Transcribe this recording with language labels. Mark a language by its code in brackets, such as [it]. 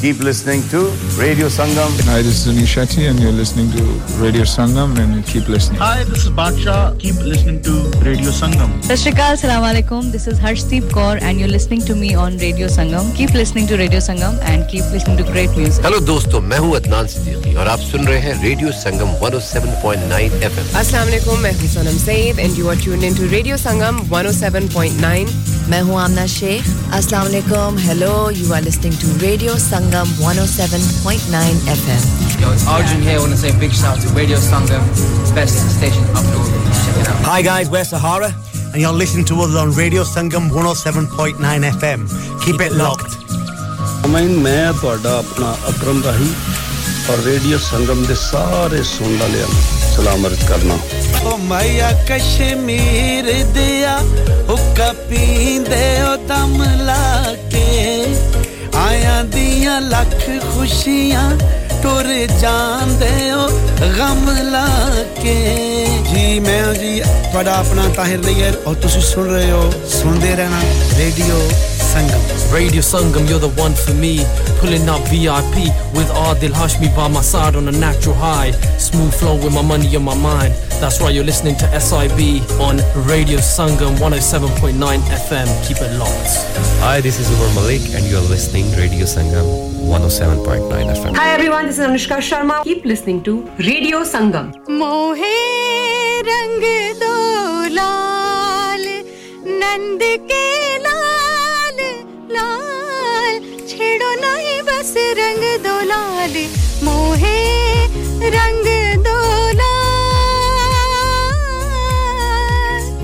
[en] Keep listening to Radio Sangam. Hi, this is Anish Shetty and you're listening to Radio Sangam and keep listening. Hi, this is Badshah. Keep listening to Radio Sangam. Sashrikal, Assalamu Alaikum. This is Harshdeep Kaur and you're listening to me on Radio Sangam. Keep listening to Radio Sangam and keep listening to great music. Hello, dosto. [hi] मैं हूं अदनान सिद्दीकी और आप सुन रहे हैं radio संगम 107.9 FM [en] अस्सलाम वालेकुम [hi] मैं हूं [en] Sanam Saeed and you are tuned into radio Sangam 107.9 [hi] मैं हूं [en] आमना शेख अस्सलाम वालेकुम hello you are listening to radio Sangam 107.9 FM yo it's Arjun here want to say big shout to radio Sangam best station up north hi guys we're Sahara and you are listening to us on radio Sangam 107.9 FM keep it locked [pa] ਮੈਂ ਤੁਹਾਡਾ ਆਪਣਾ ਅਕਰਮ ਰਾਹੀ ਔਰ radio ਸੰਗਮ ਦੇ ਸਾਰੇ ਸੁਣ ਵਾਲਿਆਂ ਨੂੰ ਸਲਾਮ ਅਰਜ਼ ਕਰਨਾ ਓ ਮਾਇਆ ਕਸ਼ਮੀਰ ਦਿਆ ਹੁੱਕਾ ਪੀਂਦੇ ਓ ਦਮ ਲਾ ਕੇ ਆਇਆਂ ਦੀਆਂ ਲੱਖ ਖੁਸ਼ੀਆਂ ਟੁਰ ਜਾਂਦੇ ਓ ਗਮ ਲਾ ਕੇ ਜੀ ਮੈਂ ਜੀ ਤੁਹਾਡਾ ਆਪਣਾ ਤਾਹਿਰ ਨਈਅਰ ਔਰ ਤੁਸੀਂ ਸੁਣ ਰਹੇ ਹੋ ਸੁਣਦੇ ਰਹਿਣਾ radio Sangam. [en] Radio Sangam, you're the one for me. Pulling up VIP with Adil Hashmi by my side on a natural high. Smooth flow with my money on my mind. That's right, you're listening to SIB on Radio Sangam 107.9 FM. Keep it locked. Hi, this is Umar Malik and you're listening to Radio Sangam 107.9 FM. Hi everyone, this is Anushka Sharma. Keep listening to Radio Sangam. [hi] Mohe Rang Do Lal Nand Ke लाल छेड़ो नहीं बस रंग दो लाल मोहे रंग दो लाल